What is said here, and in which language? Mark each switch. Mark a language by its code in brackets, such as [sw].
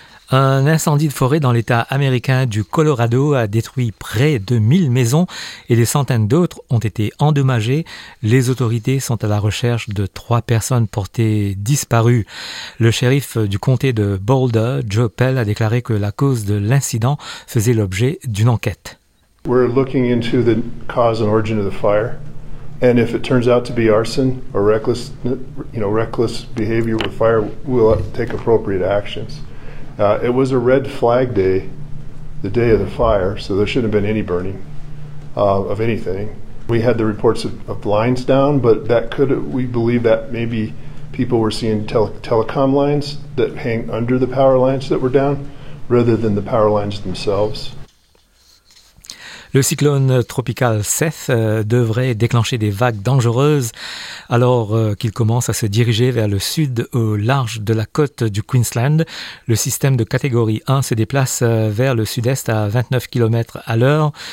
[fr] Un incendie de forêt dans l'État américain du Colorado a détruit près de 1000 maisons et des centaines d'autres ont été endommagées. Les autorités sont à la recherche de 3 personnes portées disparues. Le shérif du comté de Boulder, Joe Pell, a déclaré que la cause de l'incident faisait l'objet d'une enquête. [en] We're looking into the cause and origin of the fire. And if it turns out to be arson or reckless behavior with fire, we'll take appropriate actions. It was a red flag day, the day of the fire, so there shouldn't have been any burning of anything. We had the reports of lines down, but we believe that maybe people were seeing telecom lines that hang under the power lines that were down, rather than the power lines themselves. [fr] Le cyclone tropical Seth devrait déclencher des vagues dangereuses alors qu'il commence à se diriger vers le sud au large de la côte du Queensland. Le système de catégorie 1 se déplace vers le sud-est à 29 km à l'heure.